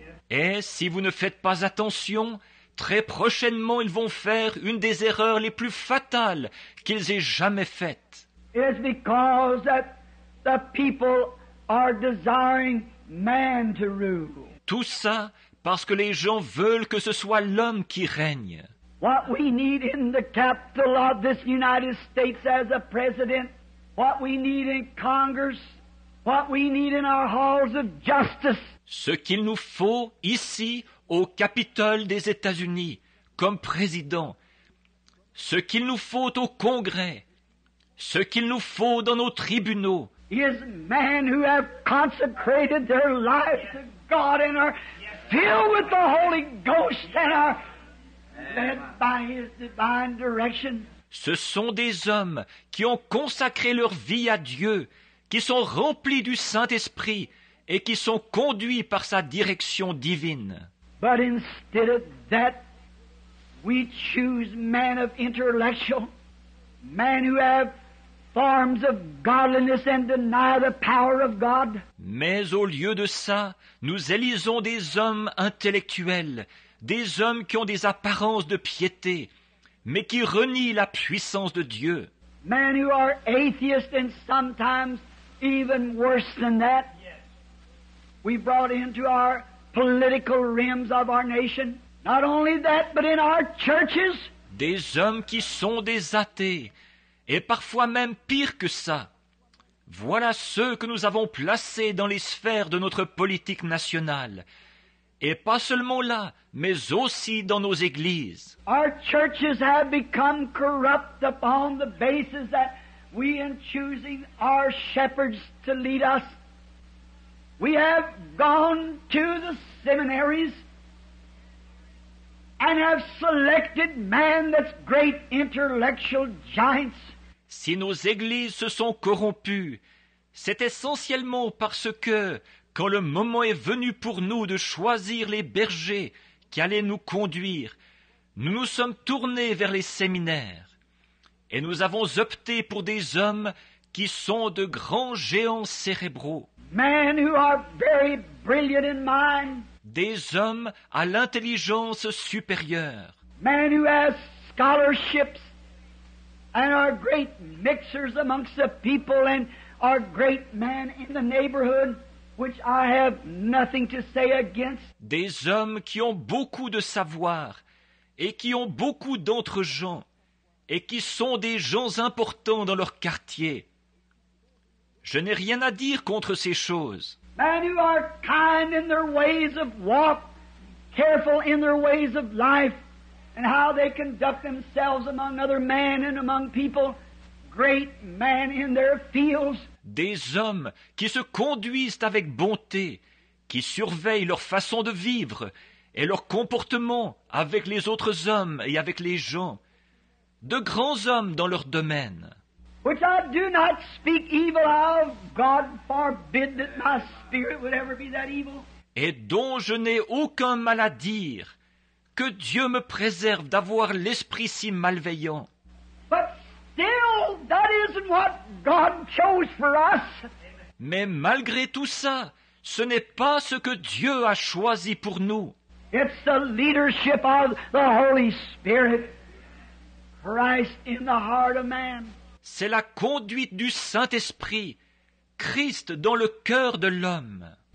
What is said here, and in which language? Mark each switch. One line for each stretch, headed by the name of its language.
French: Et si vous ne faites pas attention, très prochainement ils vont faire une des erreurs les plus fatales qu'ils aient jamais faites.
English: It's because that the people are desiring man to rule.
French: Tout ça parce que les gens veulent que ce soit l'homme qui règne.
English: What we need in the capital of this United States as a president, what we need in Congress, what we need in our halls of justice.
French: Ce qu'il nous faut ici au Capitole des États-Unis comme président, ce qu'il nous faut au Congrès, ce qu'il nous faut dans nos tribunaux,
English: is men who have consecrated their lives to God and are filled with the Holy Ghost and are led by His divine direction.
French: Ce sont des hommes qui ont consacré leur vie à Dieu, qui sont remplis du Saint-Esprit et qui sont conduits par sa direction divine.
English: But instead of that, we choose men of intellectual, men who have forms of godliness and deny the power of God.
French: Mais au lieu de ça, nous élisons des hommes intellectuels, des hommes qui ont des apparences de piété, mais qui renient la puissance de Dieu.
English: Men who are atheists and sometimes even worse than that. We brought into our political realms of our nation. Not only that, but in our churches.
French: Des hommes qui sont des athées, et parfois même pire que ça. Voilà ceux que nous avons placés dans les sphères de notre politique nationale. Et pas seulement là, mais aussi dans nos églises.
English: Our churches have become corrupt upon the basis that we in choosing our shepherds to lead us. We have gone to the seminaries and have selected men that's great intellectual giants.
French: Si nos églises se sont corrompues, c'est essentiellement parce que, quand le moment est venu pour nous de choisir les bergers qui allaient nous conduire, nous nous sommes tournés vers les séminaires et nous avons opté pour des hommes qui sont de grands géants cérébraux.
English: Men who are very brilliant in mind.
French: Des hommes à l'intelligence supérieure.
English: Men who have scholarships and are great mixers amongst the people and are great men in the neighborhood, which I have nothing to say against.
French: Des hommes qui ont beaucoup de savoir et qui ont beaucoup d'autres gens et qui sont des gens importants dans leur quartier. Je n'ai rien à dire contre ces choses.
English: Men who are kind in their ways of walk, careful in their ways of life, and how they conduct themselves among other men and among people, great men in their fields.
French: Des hommes qui se conduisent avec bonté, qui surveillent leur façon de vivre et leur comportement avec les autres hommes et avec les gens, de grands hommes dans leur domaine.
English: Which I do not speak evil of, God forbid that my spirit would ever be that evil.
French: Et dont je n'ai aucun mal à dire, que Dieu me préserve d'avoir l'esprit si malveillant.
English: But still, that isn't what God chose for us.
French: Mais malgré tout ça, ce n'est pas ce que Dieu a choisi pour nous.
English: It's the leadership of the Holy Spirit, Christ in the heart of man.
French: C'est la conduite du Saint-Esprit, Christ dans le cœur de l'homme.